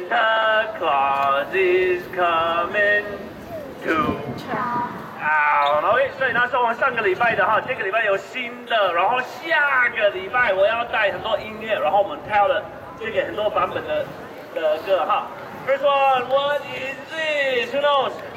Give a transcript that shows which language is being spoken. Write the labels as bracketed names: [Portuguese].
[English] Santa Claus is coming to town. [Chinese] OK, 所以那是我们上个礼拜的哈，这个礼拜有新的，然后下个礼拜我要带很多音乐，然后我们挑了这个很多版本的歌哈。 [English] First one, what is this? Who knows?